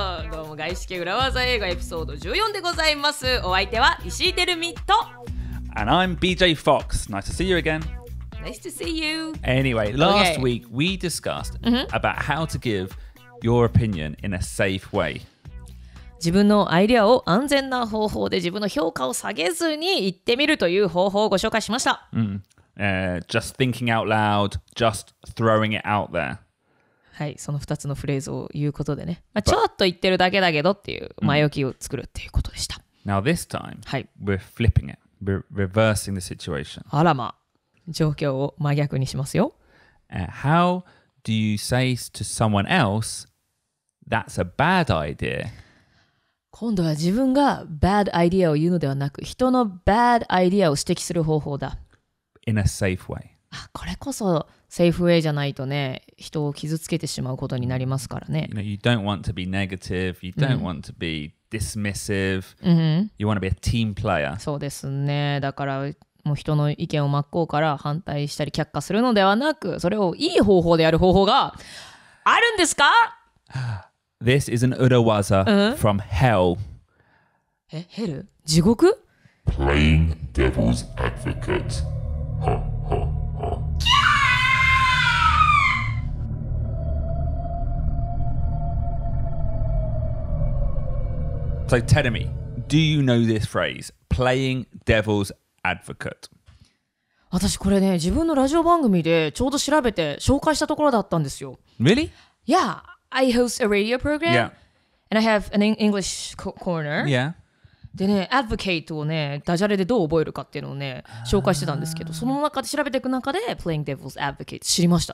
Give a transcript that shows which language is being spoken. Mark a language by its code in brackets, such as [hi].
[ja] どうも外資系裏技英語エピソード14でございます。お相手は石井テルミと。 [en] And I'm BJ Fox. Nice to see you again. Nice to see you. Anyway, last week we discussed about how to give your opinion in a safe way. [ja] 自分のアイデアを安全な方法で自分の評価を下げずに言ってみるという方法をご紹介しました。 [en] Just thinking out loud, just throwing it out there. [ja] はい、その2つのフレーズを言うことでね、まあ、ちょっと言ってるだけだけどっていう前置きを作るっていうことでした。 [en] Now this time,、はい、we're flipping it. We're reversing the situation. [ja] あらま、状況を真逆にしますよ。 [en] How do you say to someone else, that's a bad idea? [ja] 今度は自分が bad idea を言うのではなく、人の bad idea を指摘する方法だ。 [en] In a safe way. [ja] あ、これこそ safe way じゃないとね、人を傷つけてしまうことになりますからね。 [en] You know, you don't want to be negative. You don't want to be dismissive. You want to be a team player. [ja] そうですね。だからもう人の意見を真っ向から反対したり却下するのではなく、それをいい方法でやる方法があるんですか？ [en] This is an 裏技 from hell. [ja] え、ヘル？地獄？ [en] Playing devil's advocate. キャー So tell me, do you know this phrase, playing devil's advocate? [ja] 私これね、自分のラジオ番組でちょうど調べて紹介したところだったんですよ。 [en] Really? Yeah, I host a radio program. Yeah. And I have an English corner. Yeah. [ja] でね、advocate をね、ダジャレでどう覚えるかっていうのをね、紹介してたんですけど、その中で調べていく中で、playing devil's advocate 知りました。